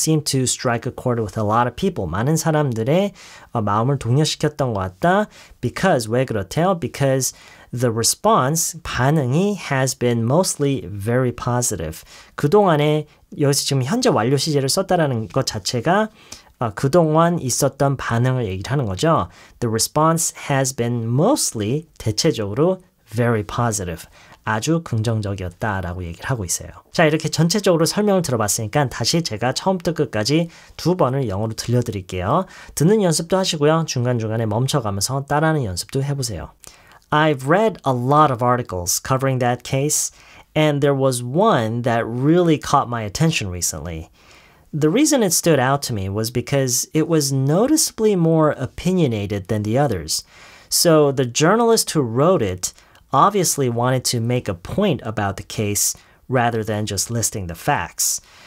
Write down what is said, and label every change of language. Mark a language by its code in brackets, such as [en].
[en] seem to strike a chord with a lot of people. [ko] 많은 사람들의 마음을 동요시켰던 것 같다. Because, 왜 그렇대요? [en] Because the response, [ko] 반응이 [en] has been mostly very positive. [ko] 그동안에, 여기서 지금 현재 완료 시제를 썼다라는 것 자체가 그동안 있었던 반응을 얘기를 하는 거죠. [en] The response has been mostly, 대체적으로, very positive. [ko] 아주 긍정적이었다 라고 얘기를 하고 있어요. 자, 이렇게 전체적으로 설명을 들어봤으니까 다시 제가 처음부터 끝까지 두 번을 영어로 들려드릴게요. 듣는 연습도 하시고요. 중간중간에 멈춰가면서 따라하는 연습도 해보세요. [en] I've read a lot of articles covering that case, and there was one that really caught my attention recently. The reason it stood out to me was because it was noticeably more opinionated than the others. So the journalist who wrote it obviously wanted to make a point about the case rather than just listing the facts.